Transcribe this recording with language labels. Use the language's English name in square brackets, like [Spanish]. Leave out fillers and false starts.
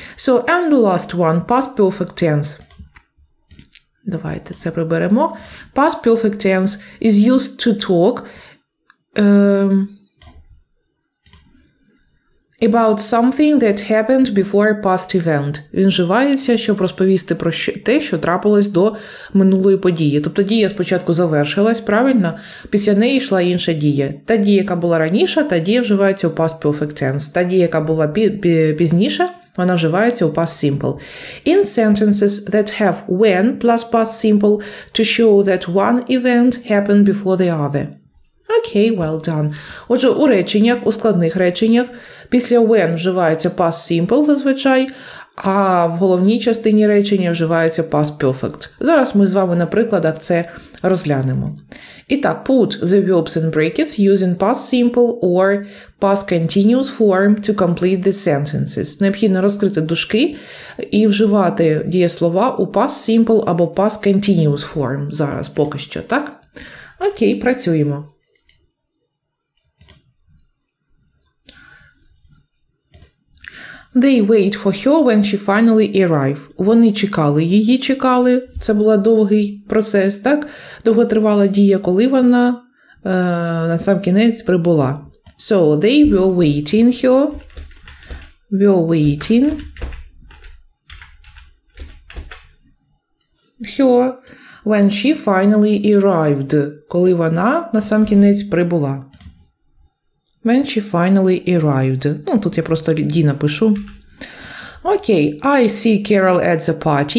[English] So and the last one, past perfect tense. [Ukrainian] Давайте це приберемо. [English] Past perfect tense is used to talk about something that happened before a past event. [Ukrainian] Він вживається, щоб розповісти про те, що трапилось до минулої події. Тобто дія спочатку завершилась, правильно? Після неї йшла інша дія. Та дія, яка була раніше, та дія вживається у past perfect tense. Та дія, яка була пізніше, вона вживається у past simple. [English] In sentences that have when plus past simple to show that one event happened before the other. Okay, well done. [Ukrainian] Отже, у реченнях, у складних реченнях, після when вживається past simple зазвичай, а в головній частині речення вживається past perfect. Зараз ми з вами на прикладах це розглянемо. І так, [English] put the verbs in brackets using past simple or past continuous form to complete the sentences. [Ukrainian] Необхідно розкрити дужки і вживати дієслова у past simple або past continuous form зараз, поки що, так? Окей, працюємо. [English] They wait for her when she finally arrived. [Ukrainian] Вони чекали, її чекали. Це був довгий процес, так? Довготривала дія, коли вона на сам кінець прибула. [English] So, they were waiting her. Were waiting. Her when she finally arrived. [Ukrainian] Коли вона на сам кінець прибула. [English] When she finally arrived. [Ukrainian] Ну, тут я просто дій напишу. [English] Окей, okay. I see Carol at the party.